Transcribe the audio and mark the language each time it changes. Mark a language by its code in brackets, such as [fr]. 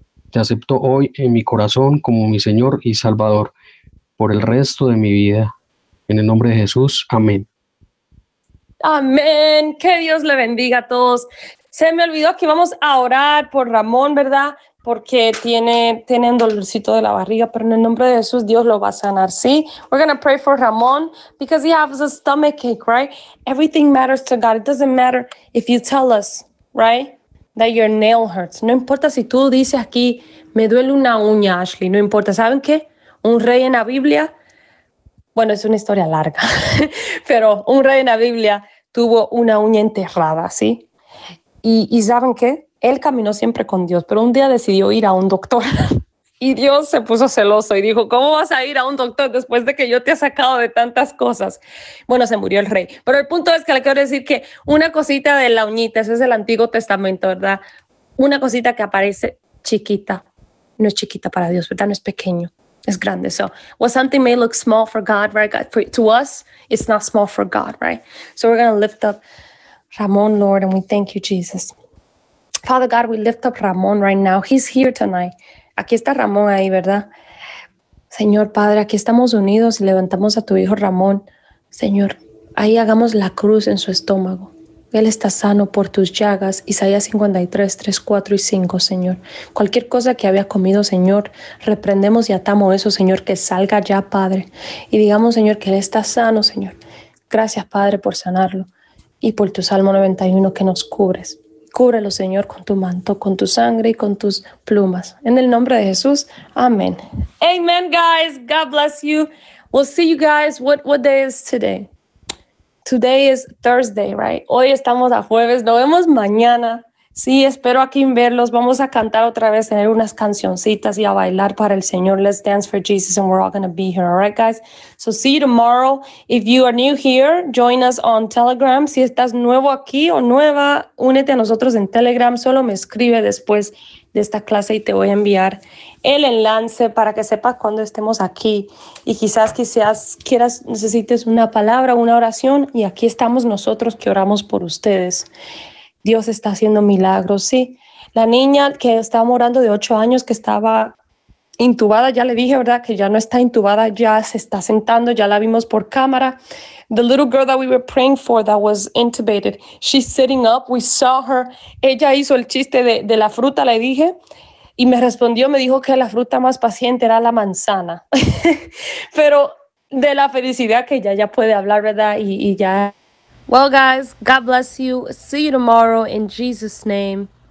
[es] Te acepto hoy en mi corazón como mi Señor y Salvador por el resto de mi vida. En el nombre de Jesús, amén. Amén. Que Dios le bendiga a todos. Se me olvidó que íbamos a orar por Ramón, ¿verdad? Porque tiene un dolorcito de la barriga, pero en el nombre de Jesús, Dios lo va a sanar, ¿sí? [en] We're going to pray for Ramón because he has a stomachache, right? Everything matters to God. It doesn't matter if you tell us, right, that your nail hurts. [es] No importa si tú dices aquí, me duele una uña, Ashley. No importa. ¿Saben qué? Un rey en la Biblia, bueno, es una historia larga, pero un rey en la Biblia tuvo una uña enterrada, ¿sí? ¿Y saben qué? Él caminó siempre con Dios, pero un día decidió ir a un doctor y Dios se puso celoso y dijo, ¿cómo vas a ir a un doctor después de que yo te he sacado de tantas cosas? Bueno, se murió el rey. Pero el punto es que le quiero decir que una cosita de la uñita, ese es el Antiguo Testamento, ¿verdad? una cosita que aparece chiquita, no es chiquita para Dios, ¿verdad? No es pequeño, es grande. [en] So, what something may look small for God, right? To us, it's not small for God, right? So, we're going to lift up Ramón, Lord, and we thank you, Jesus. Father God, we lift up Ramón right now. He's here tonight. [es] Aquí está Ramón ahí, ¿verdad? Señor Padre, aquí estamos unidos y levantamos a tu hijo Ramón. Señor, ahí hagamos la cruz en su estómago. Él está sano por tus llagas, Isaías 53, 3, 4 y 5, Señor. Cualquier cosa que había comido, Señor, reprendemos y atamos eso, Señor, que salga ya, Padre. Y digamos, Señor, que Él está sano, Señor. Gracias, Padre, por sanarlo y por tu Salmo 91 que nos cubres. Cúbrelo, Señor, con tu manto, con tu sangre y con tus plumas. En el nombre de Jesús, amén. [en] Amen, guys. God bless you. We'll see you guys. What day is today? Today is Thursday, right? [es] Hoy estamos a jueves. Nos vemos mañana. Sí, espero aquí verlos. Vamos a cantar otra vez, tener unas cancioncitas y a bailar para el Señor. [en] Let's dance for Jesus and we're all going to be here. All right, guys? So see you tomorrow. If you are new here, join us on Telegram. [es] Si estás nuevo aquí o nueva, únete a nosotros en Telegram. Solo me escribe después de esta clase y te voy a enviar el enlace para que sepas cuando estemos aquí. Y quizás quieras, necesites una palabra, una oración. Y aquí estamos nosotros que oramos por ustedes. Dios está haciendo milagros, sí. La niña que estaba morando de 8 años, que estaba intubada, ya le dije, ¿verdad? Que ya no está intubada, ya se está sentando, ya la vimos por cámara. [en] The little girl that we were praying for that was intubated, she's sitting up, we saw her. [es] Ella hizo el chiste de la fruta, le dije, y me respondió, me dijo que la fruta más paciente era la manzana. Pero de la felicidad que ya puede hablar, ¿verdad? [en] Y ya... Well, guys, God bless you. See you tomorrow in Jesus' name.